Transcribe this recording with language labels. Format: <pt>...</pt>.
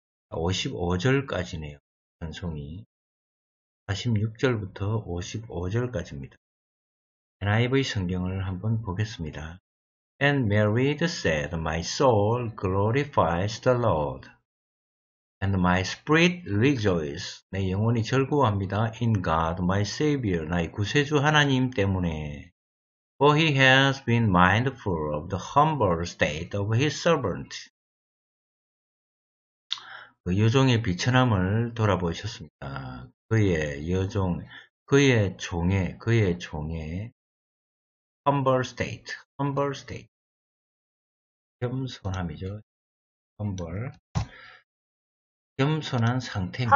<ko>55절까지네요. 찬송이 46절부터 55절까지입니다. NIV 성경을 한번 보겠습니다.</ko> <en>And Mary said, My soul glorifies the Lord. And my spirit rejoices.</en> <ko>내 영혼이 즐거워합니다.</ko> <en>In God, my Savior,</en> <ko>나의 구세주 하나님 때문에.</ko> <en>For he has been mindful of the humble state of his servant.</en> <ko>그 여종의 비천함을 돌아보셨습니다. 그의 여종, 그의 종의, 그의 종의</ko> <en>humble state, humble state.</en> <ko>겸손함이죠. humble. 겸손한 상태입니다.</ko>